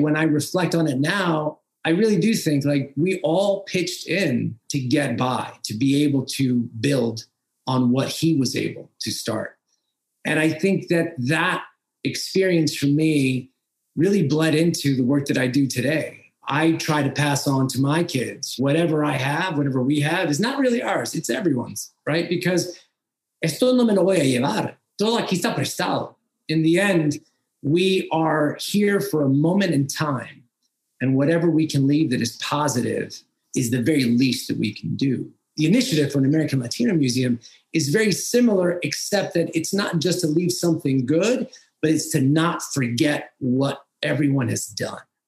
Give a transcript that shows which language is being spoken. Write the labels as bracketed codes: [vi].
[en] When I reflect on it now, I really do think like we all pitched in to get by, to be able to build on what he was able to start. And I think that that experience for me really bled into the work that I do today. I try to pass on to my kids, whatever I have, whatever we have, is not really ours. It's everyone's, right? Because [es] esto no me lo voy a llevar. Todo aquí está prestado. [en] In the end, we are here for a moment in time, and whatever we can leave that is positive is the very least that we can do. The initiative for an American Latino Museum is very similar, except that it's not just to leave something good, but it's to not forget what everyone has done.